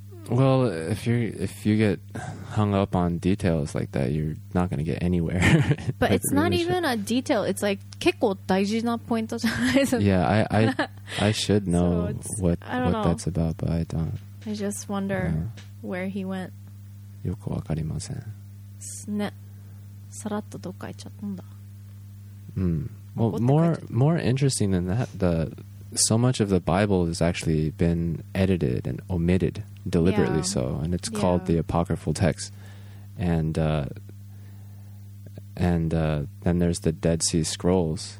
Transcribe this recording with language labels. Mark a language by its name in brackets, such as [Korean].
[English] Well, if you get hung up on details like that, you're not going to get anywhere. But it's not even a detail. It's like, [Japanese] 結構大事なポイントじゃないですか? [English] Yeah, I should know so what that's about, but I don't. I just wonder where he went. [Japanese] よくわかりません。ね、さらっとどっか行っちゃったんだ。 [English] Well, more interesting than that, so much of the Bible has actually been edited and omitted deliberately so, and it's called the apocryphal text. And then there's the Dead Sea Scrolls.